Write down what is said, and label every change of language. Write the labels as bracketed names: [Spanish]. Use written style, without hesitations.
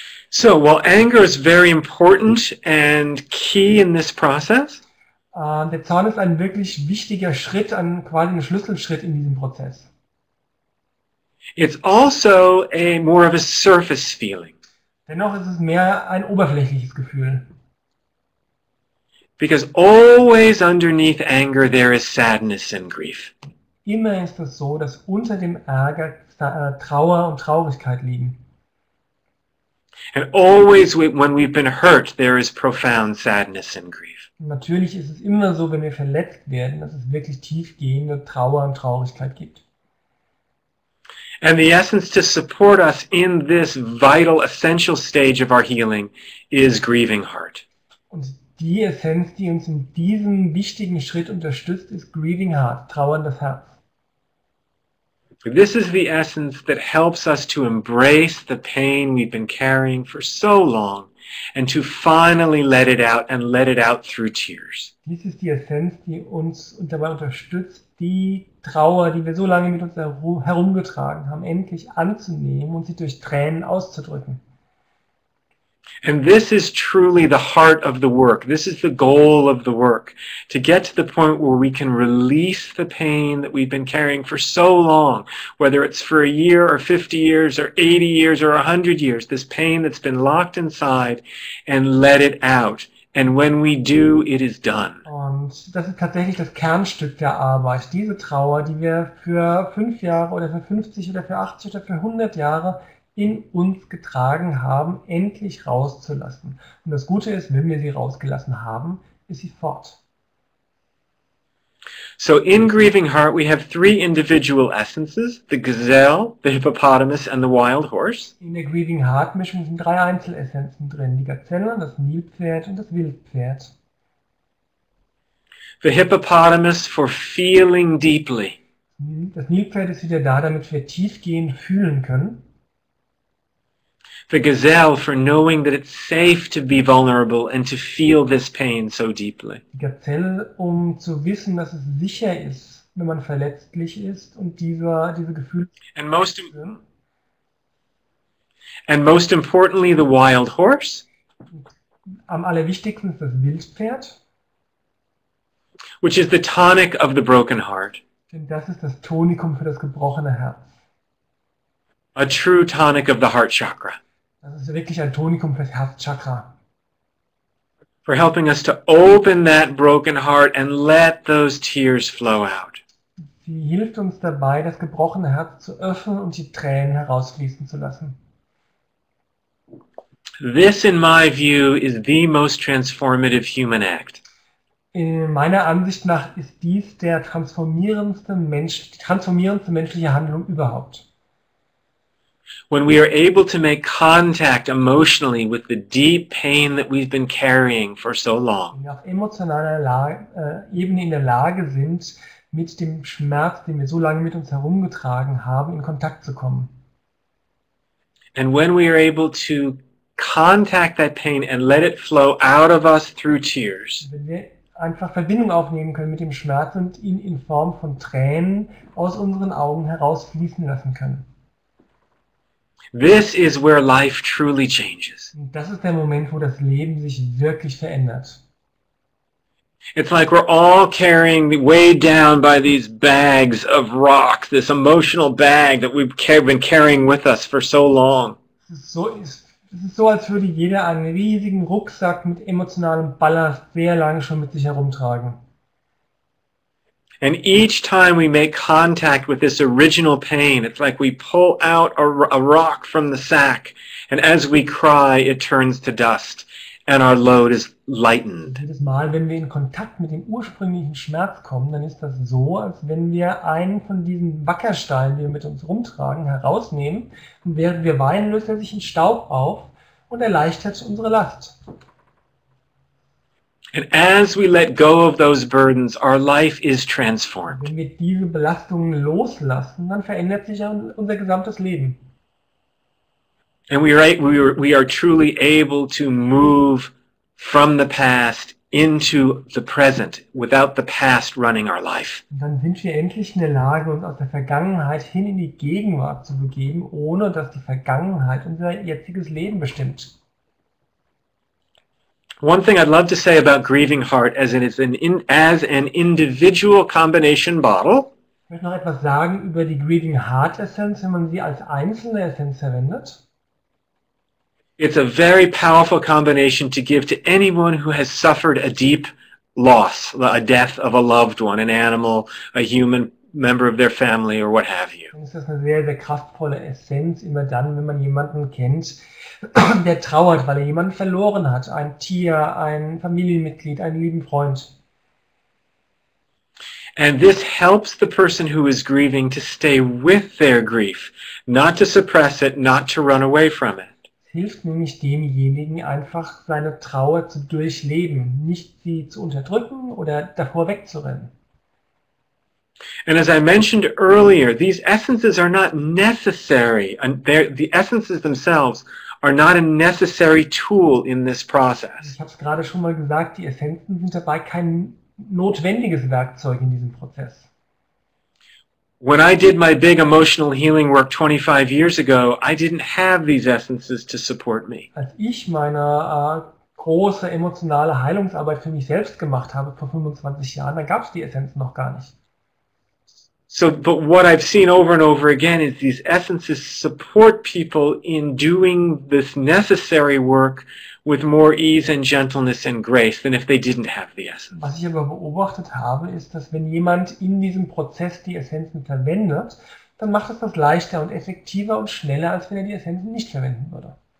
[English] So, while anger is very important and key in this process, [German] der Zorn ist ein wirklich wichtiger Schritt, quasi ein Schlüsselschritt in diesem Prozess. [English] It's also a more of a surface feeling. [German] Dennoch ist es mehr ein oberflächliches Gefühl. [English] Because always underneath anger there is sadness and grief. [German] Immer ist es so, dass unter dem Ärger Trauer und Traurigkeit liegen. [English] And always when we've been hurt, there is profound sadness and grief. [German] Natürlich ist es immer so, wenn wir verletzt werden, dass es wirklich tiefgehende Trauer und Traurigkeit gibt. [English] And the essence to support us in this vital, essential stage of our healing is grieving heart. [German] Und die Essenz, die uns in diesem wichtigen Schritt unterstützt, ist grieving heart, trauerndes Herz. [English] This is the essence that helps us to embrace the pain we've been carrying for so long and to finally let it out and let it out through tears. [German] Dies ist die Essenz, die uns dabei unterstützt, die Trauer, die wir so lange mit uns herumgetragen haben, endlich anzunehmen und sie durch Tränen auszudrücken. [English] And this is truly the heart of the work. This is the goal of the work, to get to the point where we can release the pain that we've been carrying for so long, whether it's for a year or 50 years or 80 years or 100 years, this pain that's been locked inside, and let it out. And when we do, it is done. [German] Und das ist tatsächlich das Kernstück der Arbeit. Diese Trauer, die wir für 5 Jahre oder für 50 oder für 80 oder für 100 Jahre in uns getragen haben, endlich rauszulassen. Und das Gute ist, wenn wir sie rausgelassen haben, ist sie fort. [English] So in Grieving Heart, we have three individual essences, the gazelle, the hippopotamus, and the wild horse. [German] In der Grieving Heart Mischung sind drei Einzelessenzen drin, die Gazelle, das Nilpferd und das Wildpferd. [English] The hippopotamus for feeling deeply. [German] Das Nilpferd ist wieder da, damit wir tiefgehend fühlen können. [English] The gazelle for knowing that it's safe to be vulnerable and to feel this pain so deeply. [German] Die Gazelle, um zu wissen, dass es sicher ist, wenn man verletzlich ist und diese Gefühle [English] and most [German] zu spüren. [English] And most importantly, the wild horse. [German] Am allerwichtigsten ist das Wildpferd. [English] Which is the tonic of the broken heart. [German] Denn das ist das Tonikum für das gebrochene Herz. [English] A true tonic of the heart chakra. [German] Das ist wirklich ein Tonikum für das Herzchakra. [English] For helping us to open that broken heart and let those tears flow out. [German] Sie hilft uns dabei, das gebrochene Herz zu öffnen und die Tränen herausfließen zu lassen. [English] This, in my view, is the most transformative human act. [German] In meiner Ansicht nach ist dies der transformierendste menschliche Handlung überhaupt. [English] When we are able to make contact emotionally with the deep pain that we've been carrying for so long. [German] Wenn wir auf emotionaler Ebene in der Lage sind, mit dem Schmerz, den wir so lange mit uns herumgetragen haben, in Kontakt zu kommen. [English] And when we are able to contact that pain and let it flow out of us through tears. [German] Wenn wir einfach Verbindung aufnehmen können mit dem Schmerz und ihn in Form von Tränen aus unseren Augen herausfließen lassen können. [English] This is where life truly changes. [German] Und das ist der Moment, wo das Leben sich wirklich verändert. [English] It's like we're all carrying, weighed down by these bags of rock, this emotional bag that we've been carrying with us for so long. [German] Es ist so, als würde jeder einen riesigen Rucksack mit emotionalem Ballast sehr lange schon mit sich herumtragen. [English] And each time we make contact with this original pain, it's like we pull out a rock from the sack, and as we cry, it turns to dust, and our load is lightened. [German] Jedes Mal, wenn wir in Kontakt mit dem ursprünglichen Schmerz kommen, dann ist das so, als wenn wir einen von diesen Wackersteinen, die wir mit uns rumtragen, herausnehmen, und während wir weinen, löst er sich in Staub auf und erleichtert unsere Last. [English] And as we let go of those burdens, our life is transformed. [German] Wenn wir diese Belastungen loslassen, dann verändert sich unser gesamtes Leben. [English] And we are truly able to move from the past into the present without the past running our life. [German] Und dann sind wir endlich in der Lage, uns aus der Vergangenheit hin in die Gegenwart zu begeben, ohne dass die Vergangenheit unser jetziges Leben bestimmt. [English] One thing I'd love to say about Grieving Heart as an individual combination bottle. [German] Ich möchte noch etwas sagen über die Grieving Heart Essenz, wenn man sie als einzelne Essenz verwendet. [English] It's a very powerful combination to give to anyone who has suffered a deep loss, a death of a loved one, an animal, a human member of their family or what have you. [German] Es ist eine sehr, sehr kraftvolle Essenz, immer dann, wenn man jemanden kennt, der trauert, weil er jemanden verloren hat. Ein Tier, ein Familienmitglied, einen lieben Freund. [English] And this helps the person who is grieving to stay with their grief, not to suppress it, not to run away from it. [German] Es hilft nämlich demjenigen einfach, seine Trauer zu durchleben, nicht sie zu unterdrücken oder davor wegzurennen. [English] And as I mentioned earlier, these essences are not necessary, and the essences themselves are not a necessary tool in this process. [German] Ich habe es gerade schon mal gesagt, die Essenzen sind dabei kein notwendiges Werkzeug in diesem Prozess. [English] When I did my big emotional healing work 25 years ago, I didn't have these essences to support me. [German] Als ich meine große emotionale Heilungsarbeit für mich selbst gemacht habe vor 25 Jahren, da gab es die Essenzen noch gar nicht. [English] So, but what I've seen over and over again is these essences support people in doing this necessary work with more ease and gentleness and grace than if they didn't have the essence. [German] Was ich aber beobachtet habe, ist, dass wenn jemand in diesem Prozess die Essenzen verwendet, dann macht es das leichter und effektiver und schneller, als wenn er die Essenzen nicht verwenden würde.